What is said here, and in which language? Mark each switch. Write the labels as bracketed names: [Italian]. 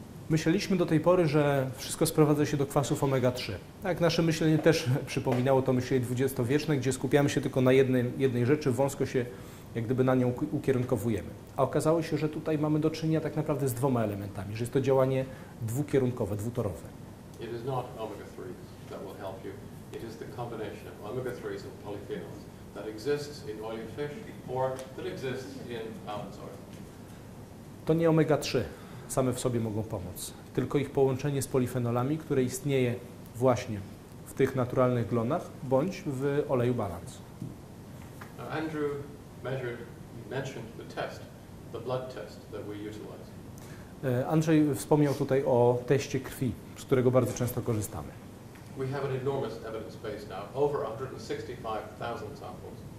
[Polish] Myśleliśmy do tej pory, że wszystko sprowadza się do kwasów omega-3. Tak, nasze myślenie też przypominało to myślenie XX-wieczne, gdzie skupiamy się tylko na jednej rzeczy, wąsko się jak gdyby na nią ukierunkowujemy. A okazało się, że tutaj mamy do czynienia tak naprawdę z dwoma elementami, że jest to działanie dwukierunkowe, dwutorowe. [English] It is not omega-3 that will help you. It is the combination of omega-3s and polyphenols that exists in oily fish or that exists in almond oil. [Polish] To nie omega-3 same w sobie mogą pomóc, tylko ich połączenie z polifenolami, które istnieje właśnie w tych naturalnych glonach bądź w oleju Balance. [English] Now Andrew mentioned the test, the blood test that we utilize. [Polish] Andrzej wspomniał tutaj o teście krwi, z którego bardzo często korzystamy. [English] We have an enormous evidence base now, over 165,000 samples.